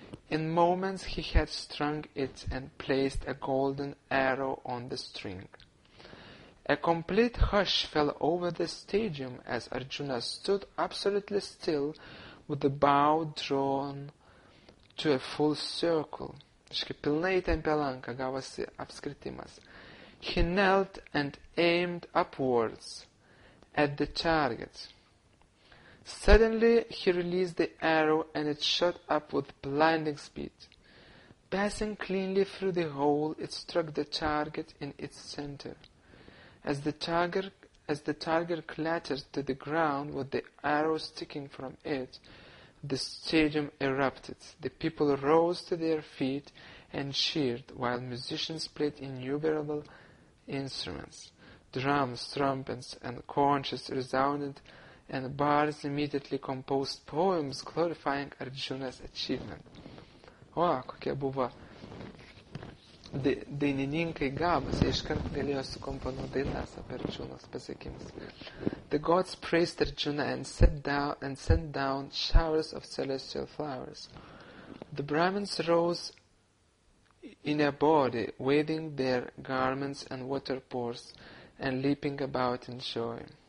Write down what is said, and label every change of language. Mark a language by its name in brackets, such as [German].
[English] In moments he had strung it and placed a golden arrow on the string. A complete hush fell over the stadium as Arjuna stood absolutely still with the bow drawn to a full circle. [Lithuanian] Pilnai tempė lanką, gavosi apskritimas. [English] He knelt and aimed upwards at the target. Suddenly he released the arrow and it shot up with blinding speed. Passing cleanly through the hole, it struck the target in its center. As the tiger clattered to the ground with the arrow sticking from it, the stadium erupted. The people rose to their feet and cheered, while musicians played innumerable instruments. Drums, trumpets, and conches resounded, and bards immediately composed poems glorifying Arjuna's achievement. [Lithuanian] O, kokia buvo dainininkai gabus, jie iškart galėjo sukomponuoti dainas apie Arjunos pasiekimus. [English] The gods praised Arjuna and sent down showers of celestial flowers. The Brahmins rose in a body, waving their garments and water pours, and leaping about in joy.